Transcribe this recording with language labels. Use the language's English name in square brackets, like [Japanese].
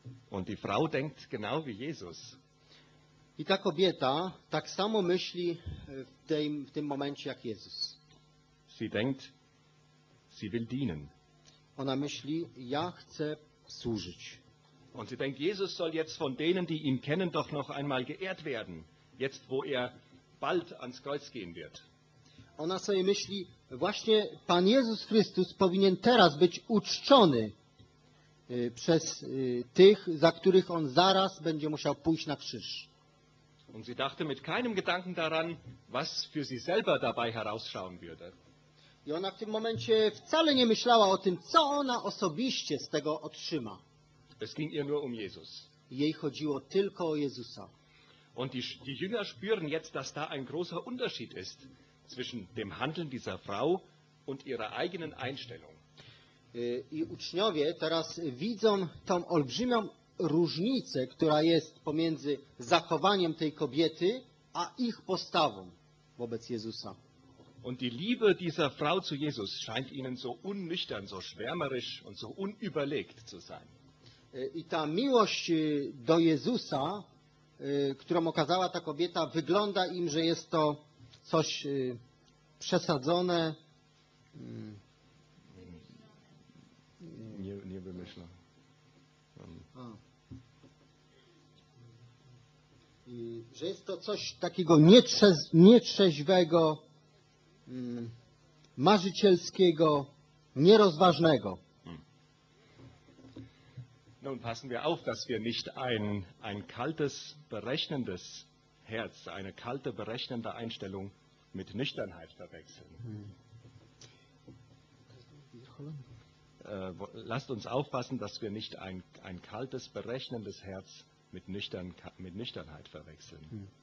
[German] Und die Frau denkt genau wie Jesus. [Polish] I ta kobieta tak samo myśli w tym momencie jak Jezus. [German] Sie denkt, sie will dienen. [Polish] Ona myśli, ja chcę służyć. [German] Und sie denkt, Jesus soll jetzt von denen, die ihn kennen, doch noch einmal geehrt werden. Jetzt, wo er bald ans Kreuz gehen wird. [Polish] Ona sobie myśli, właśnie Pan Jezus Chrystus powinien teraz być uczczony przez tych, za których on zaraz będzie musiał pójść na krzyż. [German] Und sie dachte mit keinem Gedanken daran, was für sie selber dabei herausschauen würde. [Polish] I ona w tym momencie wcale nie myślała o tym, co ona osobiście z tego otrzyma. [German] Es ging ihr nur um Jesus. [Polish] Jej chodziło tylko o Jezusa. [German] Und die Jünger spüren jetzt, dass da ein großer Unterschied ist zwischen dem Handeln dieser Frau und ihrer eigenen Einstellung. [Polish] I uczniowie teraz widzą tą olbrzymią różnicę, która jest pomiędzy zachowaniem tej kobiety a ich postawą wobec Jezusa. [German] Und die Liebe dieser Frau zu Jesus scheint ihnen so unnüchtern, so schwärmerisch und so unüberlegt zu sein. [Polish] I ta miłość do Jezusa, którą okazała ta kobieta, wygląda im, że jest to coś przesadzone. Nie wymyślam. Że jest to coś takiego nietrzeźwego, marzycielskiego, nierozważnego. [German] Nun passen wir auf, dass wir nicht ein kaltes, berechnendes Herz, eine kalte, berechnende Einstellung mit Nüchternheit verwechseln. Lasst uns aufpassen, dass wir nicht ein kaltes, berechnendes Herz mit Nüchternheit verwechseln.